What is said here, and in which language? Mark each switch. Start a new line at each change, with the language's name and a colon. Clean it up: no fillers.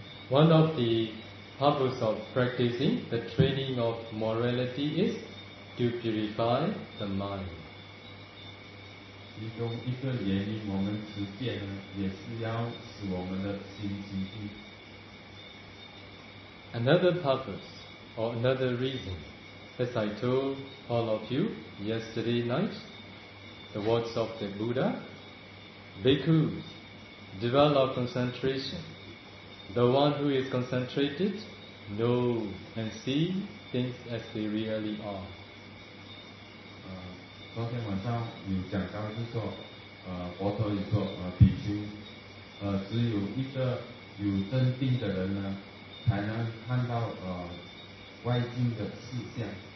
English: One of the purpose of practicing the training of morality is to purify the mind.
Chinese: 其中一个原因，我们持戒呢，也是要使我们的心清净。
English: Another purpose or another reason, as I told all of you yesterday night, the words of the Buddha, Bhikkhus, develop concentration. The one who is concentrated knows and sees things as they really are.
Chinese: 昨天晚上有讲到，是说，佛陀也说，比丘，只有一个有镇定的人呢，才能看到外境的事项。